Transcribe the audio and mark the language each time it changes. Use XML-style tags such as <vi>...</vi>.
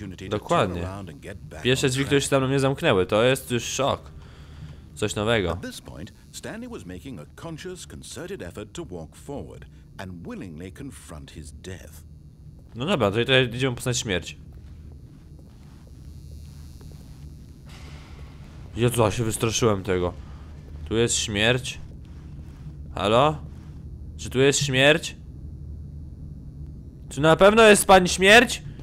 <pl>Dokładnie. Pierwsze drzwi, które się tam na mnie zamknęły, to jest już szok. Coś nowego.</pl> <en>At this point, Stanley was making a conscious, concerted effort to walk forward and willingly confront his death.</en> <pl>No dobra, tutaj idziemy poznać śmierć. Jezu, a się wystraszyłem tego. Tu jest śmierć? Halo? Czy tu jest śmierć? Czy na pewno jest pani śmierć?</pl>